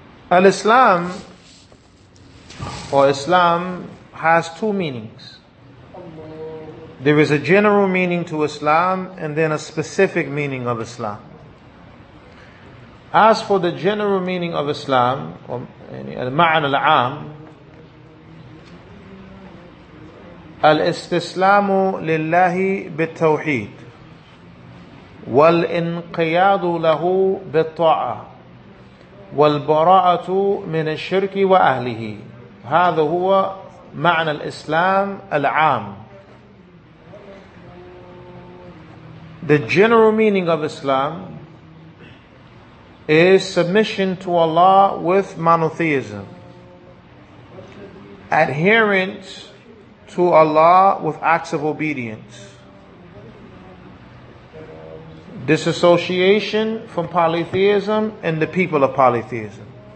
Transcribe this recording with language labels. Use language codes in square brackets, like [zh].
[en] Al-Islam or Islam has two meanings. There is a general meaning to Islam and then a specific meaning of Islam. As for the general meaning of Islam, or [ar] al-ma'an al-'am, الاستسلام لله بالتوحيد والانقياد له بالطاعة والبراءة من الشرك وأهله هذا هو معنى الإسلام العام. [en] The general meaning of Islam is submission to Allah with monotheism, adherence to Allah with acts of obedience, disassociation from polytheism and the people of polytheism.